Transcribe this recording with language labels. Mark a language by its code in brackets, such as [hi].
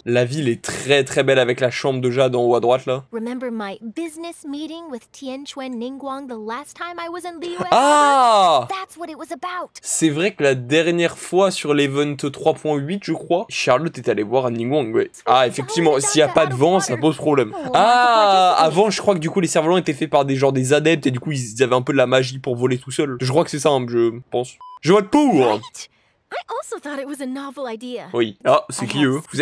[fr] La ville est très très belle avec la chambre de Jade en haut à droite là. [en] Remember my business meeting with Tien Chuen Ningguang the last time I was in the US? Ah, that's what it was about. [fr] C'est vrai que la dernière fois sur l'event 3.8, je crois, Charlotte est allée voir Ningguang. Ouais. Ah, effectivement, s'il y a pas de vent, ça pose problème. Ah, avant, je crois que du coup les cerf-volants étaient faits par des adeptes et du coup ils avaient un peu de la magie pour voler tout seul. Je crois que c'est ça, je pense. Je vote pour. [en] I also thought it was a novel idea. [fr] Oui. Ah, c'est qui eux?